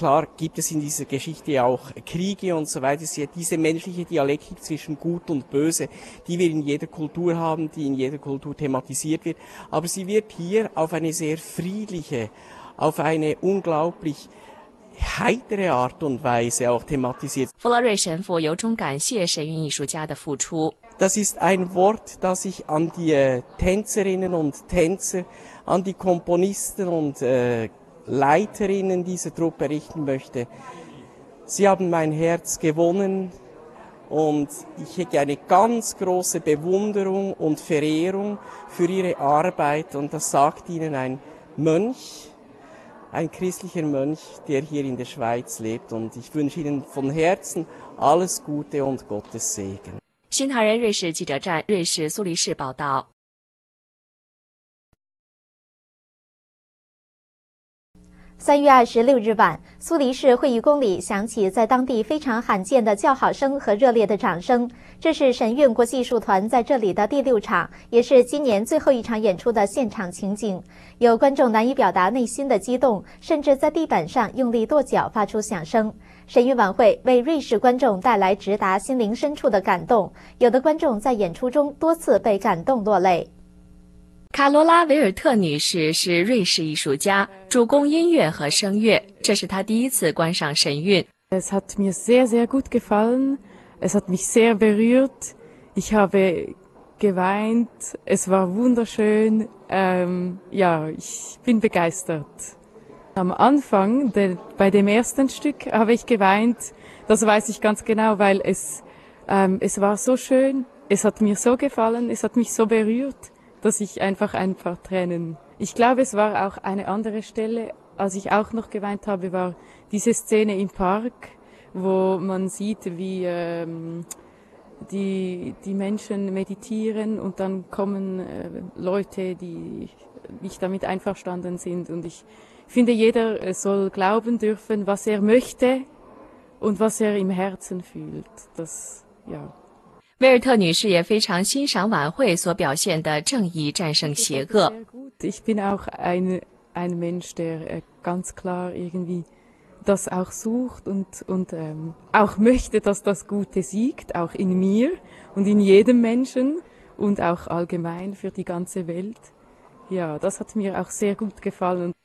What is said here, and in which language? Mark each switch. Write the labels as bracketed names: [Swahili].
[German] Klar gibt es in dieser Geschichte auch Kriege und so weiter. Es ist ja diese menschliche Dialektik zwischen Gut und Böse, die wir in jeder Kultur haben, die in jeder Kultur thematisiert wird. Aber sie wird hier auf eine sehr friedliche, auf eine unglaublich heitere Art und Weise auch thematisiert. [Chinese] 弗洛瑞神父由衷感谢神韵艺术家的付出。 [German] Das ist ein Wort, das ich an die Tänzerinnen und Tänzer, an die Komponisten und Leiterinnen dieser Truppe richten möchte. Sie haben mein Herz gewonnen und ich hege eine ganz große Bewunderung und Verehrung für ihre Arbeit. Und das sagt Ihnen ein Mönch, ein christlicher Mönch, der hier in der Schweiz lebt. Und ich wünsche Ihnen von Herzen alles Gute und Gottes Segen. [Chinese] 新唐人瑞士记者站，瑞士苏黎世报道。 3月26日晚，苏黎世会议宫里响起在当地非常罕见的叫好声和热烈的掌声。这是神韵国际艺术团在这里的第六场，也是今年最后一场演出的现场情景。有观众难以表达内心的激动，甚至在地板上用力跺脚，发出响声。神韵晚会为瑞士观众带来直达心灵深处的感动，有的观众在演出中多次被感动落泪。卡罗拉·维尔特女士是瑞士艺术家，主攻音乐和声乐，这是她第一次观赏神韵。 [German] Es hat mir sehr, sehr gut gefallen. Es hat mich sehr berührt. Ich habe geweint. Es war wunderschön. Ja, ich bin begeistert. Am Anfang, bei dem ersten Stück, habe ich geweint. Das weiß ich ganz genau, weil es war so schön. Es hat mir so gefallen, es hat mich so berührt, dass ich einfach ein paar Tränen... Ich glaube, es war auch eine andere Stelle, als ich auch noch geweint habe, war diese Szene im Park, wo man sieht, wie die Menschen meditieren und dann kommen Leute, die nicht damit einverstanden sind und ich... Ich finde, jeder soll glauben dürfen, was er möchte und was er im Herzen fühlt. Das, ja. [Chinese] 威尔特女士也非常欣赏晚会所表现的正义战胜邪恶。 [German] Ich bin auch ein Mensch, der ganz klar irgendwie das auch sucht und auch möchte, dass das Gute siegt, auch in mir und in jedem Menschen und auch allgemein für die ganze Welt. Ja, das hat mir auch sehr gut gefallen.